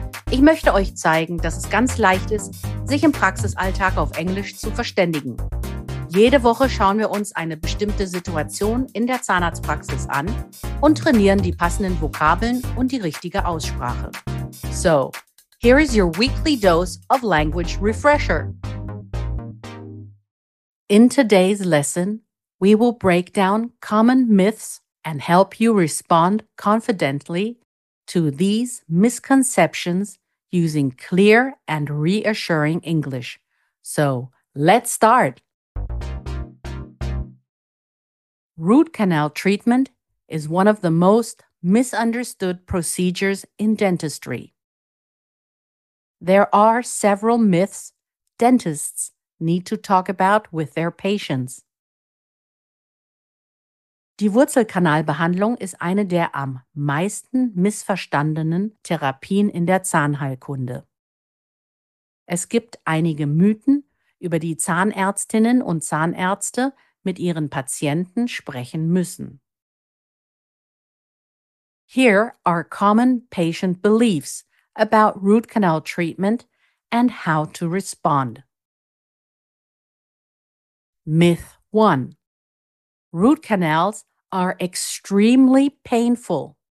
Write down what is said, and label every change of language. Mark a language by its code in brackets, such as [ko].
[de] Ich möchte euch zeigen, dass es ganz leicht ist, sich im Praxisalltag auf Englisch zu verständigen. Jede Woche schauen wir uns eine bestimmte Situation in der Zahnarztpraxis an und trainieren die passenden Vokabeln und die richtige Aussprache. [en] So, here is your weekly dose of language refresher. In today's lesson, we will break down common myths and help you respond confidently to these misconceptions using clear and reassuring English. So, let's start! Root canal treatment is one of the most misunderstood procedures in dentistry. There are several myths dentists need to talk about with their patients. [de] Die Wurzelkanalbehandlung ist eine der am meisten missverstandenen Therapien in der Zahnheilkunde. Es gibt einige Mythen, über die Zahnärztinnen und Zahnärzte mit ihren Patienten sprechen müssen. [en] Here are common patient beliefs about root canal treatment and how to respond. Myth 1. Root canals are extremely painful.